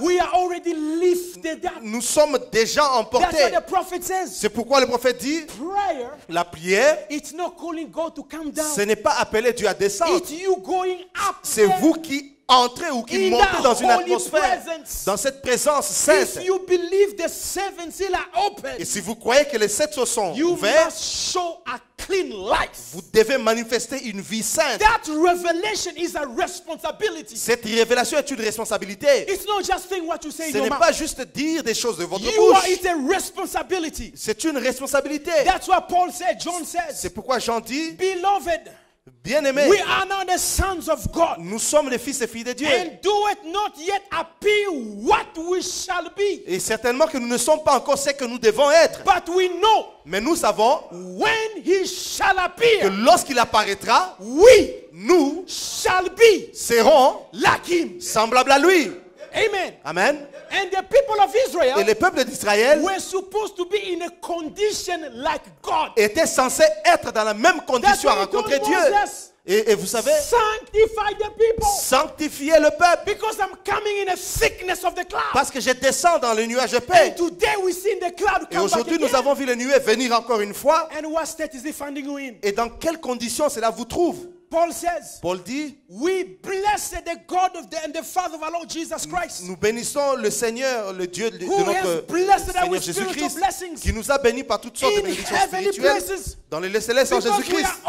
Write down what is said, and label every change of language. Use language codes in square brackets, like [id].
[en] we are already lifted up. [fr] Nous sommes déjà emportés. [en] That's what the prophet says. [fr] C'est pourquoi le prophète dit, [en] prayer, [fr] la prière, [en] it's not calling God to come down. [fr] Ce n'est pas appeler Dieu à descendre. [en] It's you going up. [fr] C'est vous qui entrer ou qui monte dans une atmosphère, [en] presence, [fr] dans cette présence sainte. [en] If you believe the seven seals are open, [fr] et si vous croyez que les sept seaux sont [en] you [fr] ouverts, [en] must show a clean life. [fr] Vous devez manifester une vie sainte. [en] That revelation is a responsibility. [fr] Cette révélation est une responsabilité. [en] It's not just saying what you say. [fr] Ce n'est pas juste dire des choses de votre [en] you [fr] bouche. [en] Are, it's a responsibility. [fr] C'est une responsabilité. [en] That's what Paul said, John says. [fr] C'est pourquoi Jean dit, [en] beloved, [fr] bien-aimés, [en] we are now the sons of God. [fr] Nous sommes les fils et filles de Dieu. [en] And do it not yet appear what we shall be. [fr] Et certainement que nous ne sommes pas encore ce que nous devons être. [en] But we know. [fr] Mais nous savons. [en] When he shall appear. [fr] Que lorsqu'il apparaîtra, [en] we [fr] nous [en] shall be. [fr] Serons [en] like him. [fr] Semblables à lui. [en] Amen. [fr] Amen. [en] And the people of Israel, [fr] et les peuples d'Israël, [en] were supposed to be in a condition like God. [fr] Étaient censés être dans la même condition à rencontrer Dieu. [en] Moses, [fr] et vous savez, [en] sanctify the people. [fr] Sanctifier le peuple. [en] Because I'm coming in a thickness of the cloud. [fr] Parce que je descends dans le nuage de paix. [en] And today we see the cloud come [fr] et aujourd'hui, [en] back [fr] nous avons vu les nuées venir encore une fois. [en] And what state is he finding you in? [fr] Et dans quelle condition cela vous trouve? [en] Paul says, [fr] Paul dit, [en] we bless the God of the and the Father of our Lord Jesus Christ. [fr] Nous bénissons le Seigneur, le Dieu de [en] who [fr] notre Seigneur Jésus-Christ, qui nous a bénis par toutes sortes de bénédictions spirituelles dans les lieux célestes en Jésus-Christ.